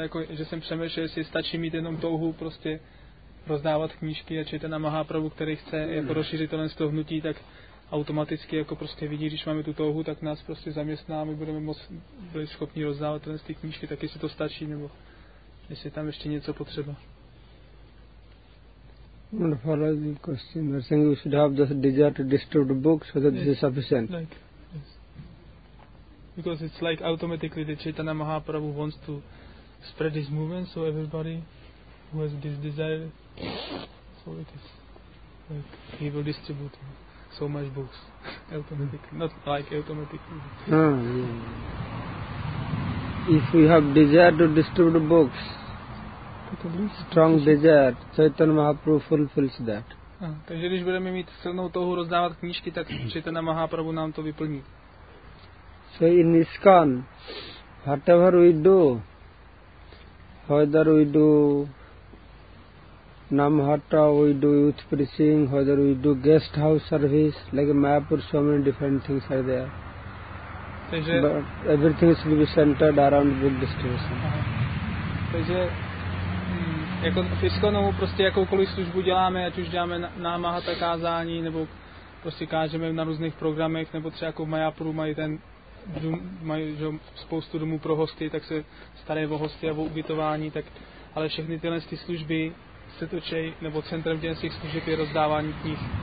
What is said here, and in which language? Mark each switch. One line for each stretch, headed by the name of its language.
Czech: Že jsem přemýšlel, jestli stačí mít jenom touhu prostě rozdávat knížky a Chaitanya Mahaprabhu, který chce jako rozšířit tohle z toho hnutí, tak automaticky jako prostě vidí, když máme tu touhu, tak nás prostě zaměstná a my budeme byli schopni rozdávat tohle z té knížky, tak jestli to stačí, nebo jestli tam ještě něco potřeba.
English: One of all the questions, I think you should have the desire to distribute books, so that this is sufficient. Because it's like automatically the Chaitanya Mahaprabhu wants to spread his movement, so everybody who has this desire, so it is like he will distribute so much books automatically, not like automatically. If we have desire to distribute books, strong desire, Chaitanya Mahaprabhu fulfills that.
Czech: Takže když budeme mít silnou touhu rozdávat knížky, tak Chaitanya Mahaprabhu nám to vyplní.
English: So in ISKCON, whatever we do, whether we do Namhatta, we do youth preaching, whether we do guest house service, like Mayapur, so many different things are there.
Czech: Takže,
English: but everything should be centered around book distribution.
Czech: Takže jako v ISKCONu prostě jakoukoliv službu děláme, ať už děláme Namhatta kázání, nebo prostě kážeme na různých programech, nebo třeba jako v Mayapuru mají ten mají spoustu domů pro hosty, tak se staré o hosty a o ubytování, tak, ale všechny tyhle ty služby se točí, nebo centrem těch služeb je rozdávání knih.